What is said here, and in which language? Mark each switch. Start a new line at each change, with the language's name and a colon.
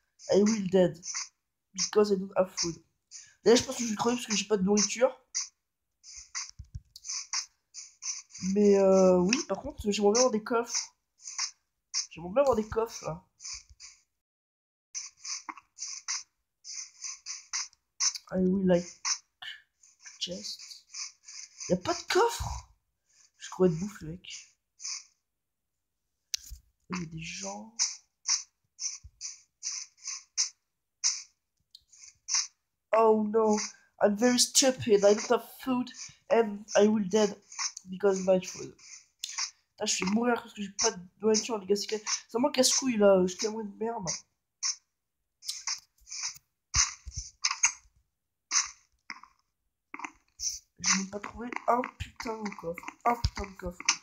English: I will dead because I don't have food.
French: D'ailleurs, je pense que je vais crever parce que j'ai pas de nourriture. Mais oui, par contre, j'aimerais bien avoir des coffres. J'aimerais bien avoir des coffres là.
English: I will like chest.
French: Y'a pas de coffre. Je crois de bouffe, mec. Il y a des gens.
English: Oh no, I'm very stupid. I don't have food and I will dead because of my food.
French: Là, je vais mourir parce que j'ai pas de nourriture, les gars. C'est moi casse-couille là, je suis tellement une merde. Je n'ai pas trouvé un putain de coffre. Un putain de coffre.